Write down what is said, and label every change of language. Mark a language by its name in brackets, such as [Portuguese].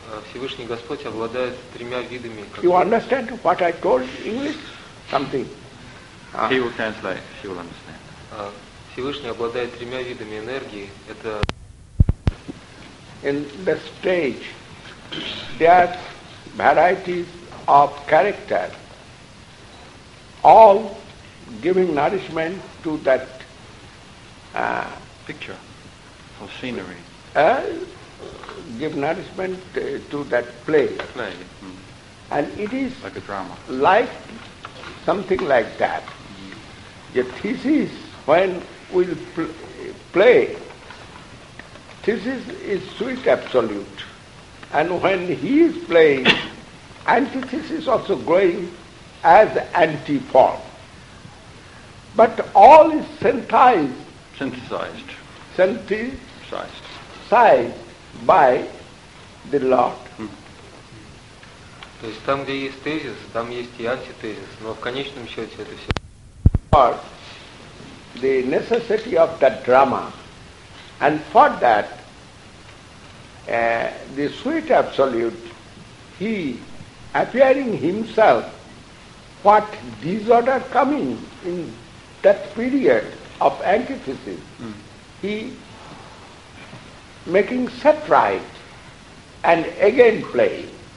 [Russian] Всевышний Господь обладает тремя видами. [English] You understand what I told in English? Something. He will translate. She will understand. [Russian] Всевышний обладает тремя видами энергии. Это [English] in the stage, there are varieties of character, all giving nourishment to that picture or scenery. Give nourishment to that play. Play. And it is like a drama. Like something like that. Your thesis, when we play, thesis is sweet absolute. And when he is playing, antithesis also growing as anti-form. But all is synthesized by the Lord. [Russian] То есть там, где есть тезис, там есть и антитезис, но в конечном счете это все. [English] For the necessity of that drama, and for that, the sweet absolute, he appearing himself, what disorder coming in that period of antithesis, he making set right and again playing.